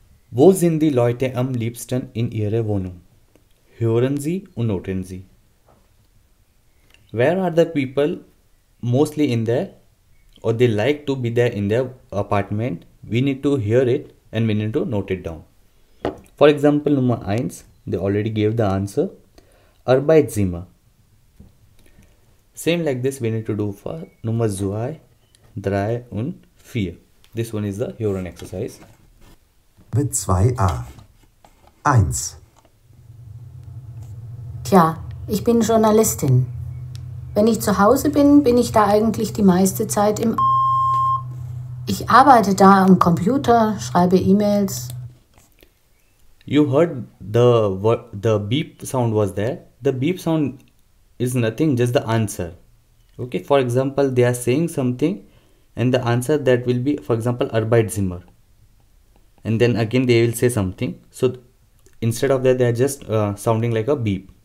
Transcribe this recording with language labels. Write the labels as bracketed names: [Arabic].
[German] Wo sind die Leute am liebsten in ihre Wohnung? Hören Sie und noten Sie. [English] Where are the people mostly in there, or they like to be there in their apartment? We need to hear it and we need to note it down. For example, number 1, they already gave the answer, Arbeitszimmer. Same like this, we need to do for number 2, 3 und 4. This one is the Huron exercise. [German] Mit 2a. 1. Tja, ich bin Journalistin. Wenn ich zu Hause bin, bin ich da eigentlich die meiste Zeit im Ich arbeite da am Computer, schreibe E-Mails. [English] You heard the beep sound was there. The beep sound is nothing, just the answer. Okay, for example, they are saying something and the answer that will be, for example, Arbeitszimmer. And then again, they will say something. So instead of that, they are just sounding like a beep.